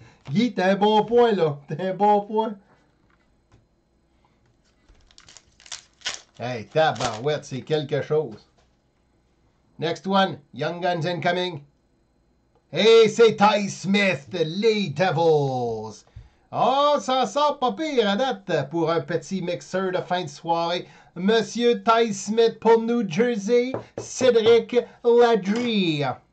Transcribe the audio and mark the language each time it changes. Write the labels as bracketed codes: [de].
[fr] Guy, t'as un bon point, là. T'as un bon point. Hey, tabarouette, c'est quelque chose. [en] Next one, Young Guns incoming. [fr] Hey, c'est Ty Smith, les Devils. Oh, ça sort pas pire à date pour un petit mixeur de fin de soirée. Monsieur Ty Smith pour New Jersey, Cédric Ladry.